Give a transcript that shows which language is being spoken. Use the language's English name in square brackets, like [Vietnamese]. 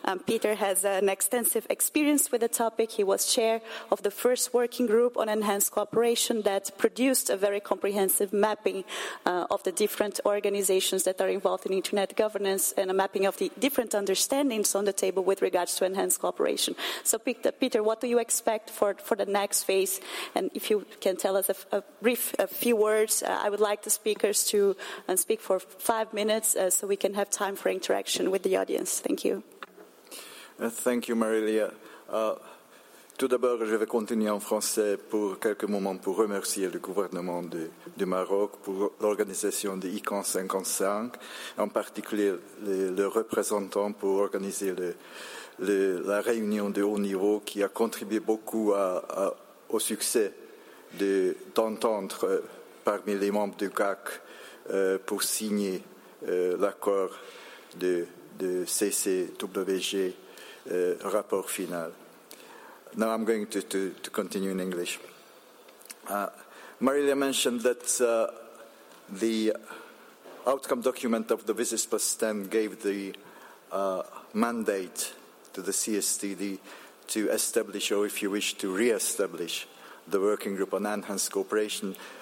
[English] Peter has an extensive experience with the topic. He was chair of the first working group on enhanced cooperation that produced a very comprehensive mapping of the different organizations that are involved in internet governance and a mapping of the different understandings on the table with regards to enhanced cooperation. So Peter, what do you expect for the next phase? And if you can tell us a few words, I would like the speakers to speak for 5 minutes so we can have time for interaction with the audience. Thank you. Thank you, Marilia. [French] Tout d'abord, je vais continuer en français pour quelques moments pour remercier le gouvernement du Maroc pour l'organisation de ICANN 55, en particulier le représentant pour organiser la réunion de haut niveau qui a contribué beaucoup au succès d'entendre parmi les membres du GAC pour signer l'accord de CCWG rapport final. [English] Now I'm going to continue in English. Marilia mentioned that the outcome document of the Visits Plus 10 gave the mandate to the CSTD to establish, or if you wish, to re-establish the Working Group on Enhanced Cooperation.